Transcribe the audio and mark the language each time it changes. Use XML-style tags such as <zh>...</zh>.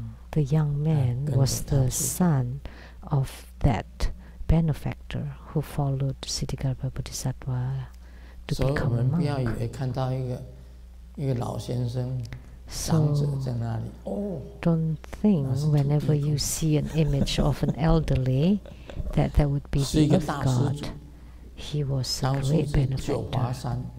<en>The young man was the son of that benefactor who followed Ksitigarbha Bodhisattva to become a monk.</en> <zh>不要以为看到一个老先生长者在那里。</zh> <en>Don't think whenever you see an image of an elderly that that would be the earth god. He was a great benefactor.</en>